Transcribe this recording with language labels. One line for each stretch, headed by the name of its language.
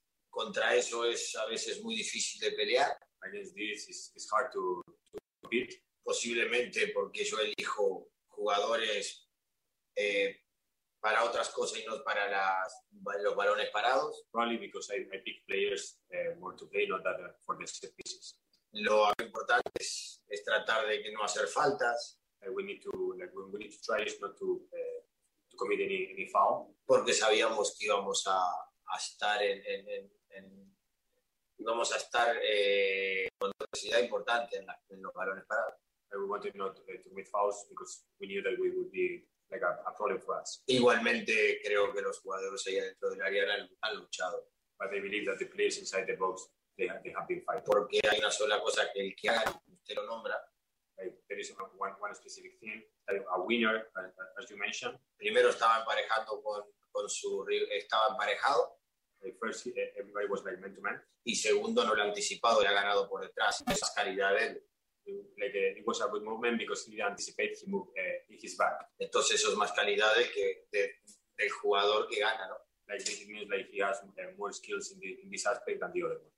Spanish: Contra eso es a veces muy difícil de pelear.
English: Against this it's hard to beat.
Spanish: Posiblemente porque yo elijo jugadores para otras cosas y no para los balones parados.
English: Probably because I pick players more to play, not that for the set pieces.
Spanish: Lo importante es tratar de no hacer faltas.
English: We need to try is not to to commit any foul.
Spanish: Porque sabíamos que íbamos a estar con velocidad importante en los balones parados.
English: We wanted not to commit fouls because we knew that we would be like a problem for us.
Spanish: Igualmente creo que los jugadores allá dentro del área han luchado.
English: But I believe that the players inside the box they have been fighting.
Spanish: Porque hay una sola cosa que el que haga usted lo nombra.
English: There is one specific thing, a winner, as you mentioned.
Spanish: Primero estaba emparejando con su rival, estaba emparejado.
English: First, everybody was like man to man.
Spanish: Y segundo, no lo ha anticipado, le ha ganado por detrás. Esa es calidad de él.
English: Like, it was a good movement because he didn't anticipate, he moved his back.
Spanish: Entonces eso es más calidad del jugador que gana, ¿no?
English: Like, it means like he has more skills in this aspect than the other one.